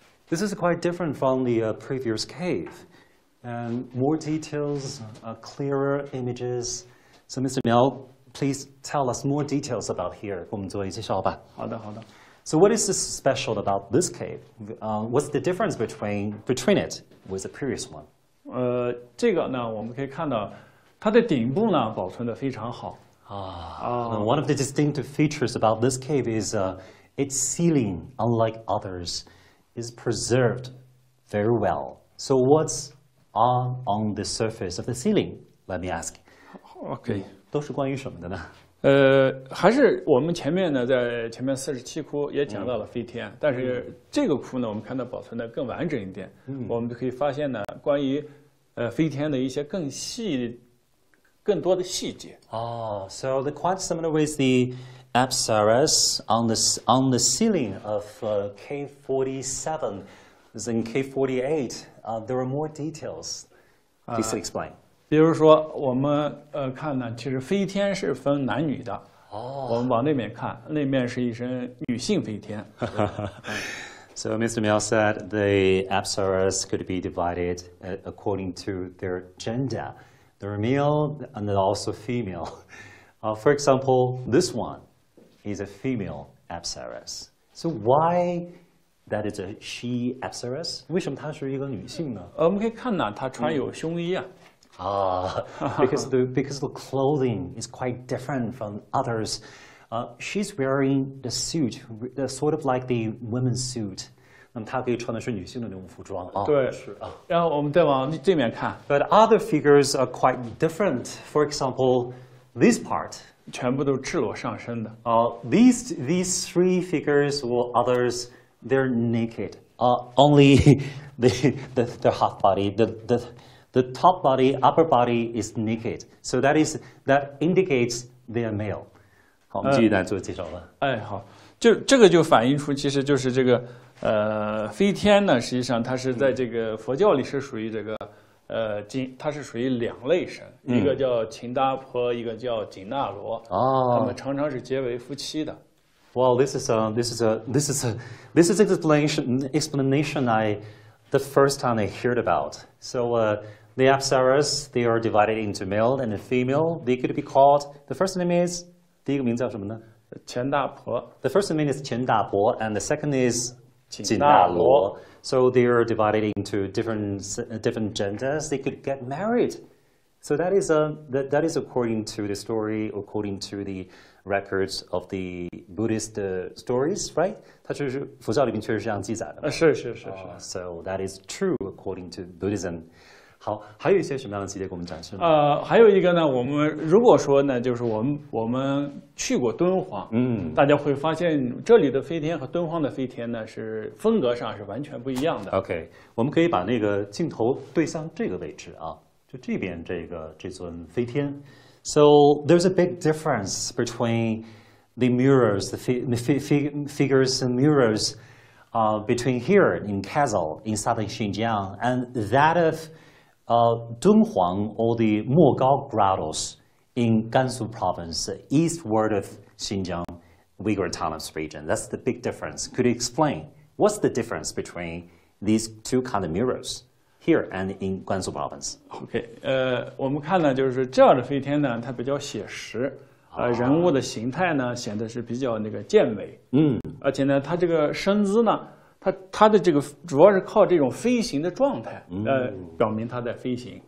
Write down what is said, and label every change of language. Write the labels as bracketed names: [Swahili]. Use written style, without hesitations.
[English] This is quite different from the previous cave. And more details, clearer images. So Mr. Miao, please tell us more details about here. [Chinese] 好的。 [English] So what is this special about this cave? What's the difference between it with the previous one? [Chinese] 这个呢，我们可以看到它的顶部呢保存得非常好。 [English] One of the distinctive features about this cave is Its ceiling, unlike others, is preserved very well. So what's on the surface of the ceiling? Let me ask. Okay. [Chinese] 都是关于什么的呢？还是我们前面呢，在前面四十七窟也讲到了飞天，嗯，但是这个窟呢，我们看到保存的更完整一点，嗯，我们可以发现呢，关于飞天的一些更细、更多的细节。 [English] Oh, so the quite similar with the apsaras on the ceiling of K47, is in K48. There are more details. Please explain. [Chinese] 比如说我们看呢，其实飞天是分男女的。 [English] Oh. [Chinese] 我们往那边看，那面是一身女性飞天。 [English] So Mr. Miao said the apsaras could be divided according to their gender. They're male and also female. For example, this one is a female apsaras. So why that is a she apsaras? [Chinese] 为什么她是一个女性呢？我们可以看呢，她穿有胸衣啊。 [English] Because the clothing is quite different from others. She's wearing the suit, sort of like the women's suit. [Chinese] 那么她可以穿的是女性的那种服装啊。对，是啊。然后我们再往这面看。 [English] But other figures are quite different. For example, this part. [Chinese] 全部都赤裸上身的。 [English] These three figures or others, they're naked. Only the half body, the top body, upper body is naked, so that indicates they are male. [Chinese] 好，我们继续来做介绍吧。哎，好，就这个就反映出，其实就是这个，飞天呢，实际上它是在这个佛教里是属于这个，它是属于两类神，嗯，一个叫秦达婆，一个叫紧那罗。哦，他们常常是结为夫妻的。 [English] Well, this is an explanation the first time I heard about. So the apsaras, they are divided into male and female. They could be called, the first name is, [Chinese] 第一个名叫什么呢？钱大婆。 [English] The first name is 钱大婆, and the second is [Chinese] 锦大罗. [English] So they are divided into different genders. They could get married. So that is according to the story, according to the records of the Buddhist stories, right? [Chinese] 它就是佛教里面确实是这样记载的。是是是是。 [English] So that is true according to Buddhism. [Chinese] 好，还有一些什么样的细节给我们展示呢？还有一个呢，我们如果说呢，就是我们去过敦煌，嗯，大家会发现这里的飞天和敦煌的飞天呢，是风格上是完全不一样的。 OK， 我们可以把那个镜头对向这个位置啊，就这边这尊飞天。 [English] So there's a big difference between the mirrors, the figures and mirrors between here in Kizil in southern Xinjiang and that of Dunhuang or the Mogao grottos in Gansu province, eastward of Xinjiang, Uygur Township region. That's the big difference. Could you explain what's the difference between these two kind of mirrors? Here and in Gansu province. [Chinese] Okay, 我们看呢，就是这样的飞天呢，它比较写实，人物的形态呢，显得是比较那个健美。嗯，而且呢，它这个身姿呢，它的这个主要是靠这种飞行的状态，表明它在飞行。